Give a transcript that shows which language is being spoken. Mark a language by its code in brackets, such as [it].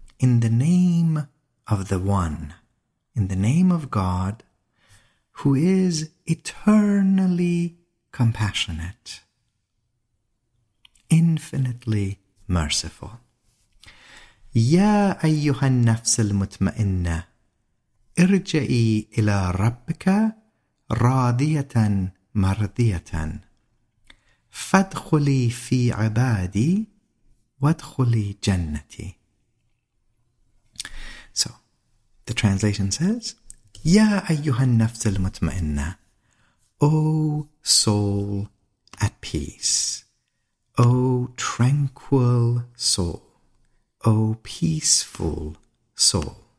[en] In the name of the One, in the name of God, who is eternally compassionate, infinitely merciful. [ar] Ya ayyuhan nafsal mutma'inna, ارجعي إلى ربك راضية مرضية فادخلي في عبادي وادخلي جنتي. [en] So, the translation says, [ar] يا أيها النفس المطمئنة, [en] O soul at peace, O tranquil soul, O peaceful soul.